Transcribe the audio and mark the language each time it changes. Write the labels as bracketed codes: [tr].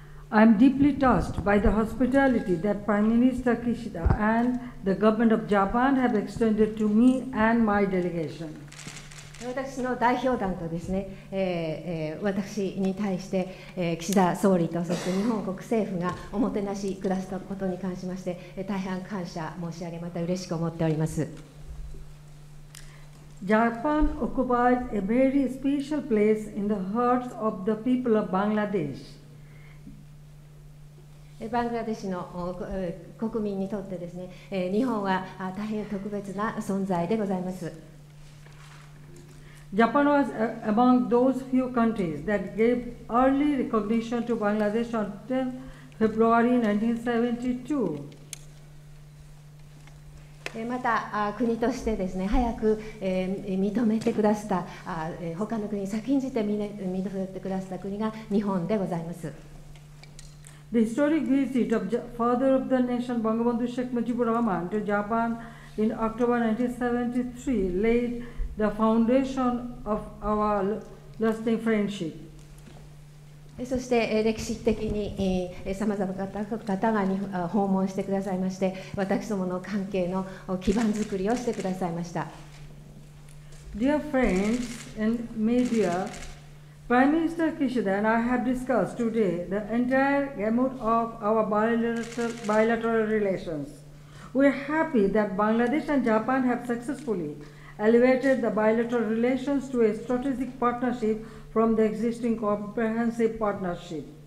[en] I am deeply touched by the hospitality that Prime Minister Kishida and the government of Japan have extended to me and my delegation. [ja] 私の代表団とですね、私に対して、岸田総理とそして日本国政府がおもてなしくださったことに関しまして、大変感謝申し上げ、また嬉しく思っております。 [en] Japan occupies a very special place in the hearts of the people of Bangladesh. [ja] バングラデシュの国民にとってですね、日本は大変特別な存在でございます。 [en] Japan was among those few countries that gave early recognition to Bangladesh on 10th February 1972. [ja] また、国としてですね、早く、認めてくださった、他の国に先んじて認めてくださった国が日本でございます。 [en] The historic visit of father of the nation, Bangabandhu Sheikh Mujibur Rahman, to Japan in October 1973 laid the foundation of our lasting friendship. [ja] そして歴史的にさまざまな方が訪問してくださいまして、私どもの関係の基盤作りをしてくださいました。 [en] Dear friends and media, Prime Minister Kishida and I have discussed today the entire gamut of our bilateral relations. We are happy that Bangladesh and Japan have successfully elevated the bilateral relations to a strategic partnership from the existing comprehensive partnership.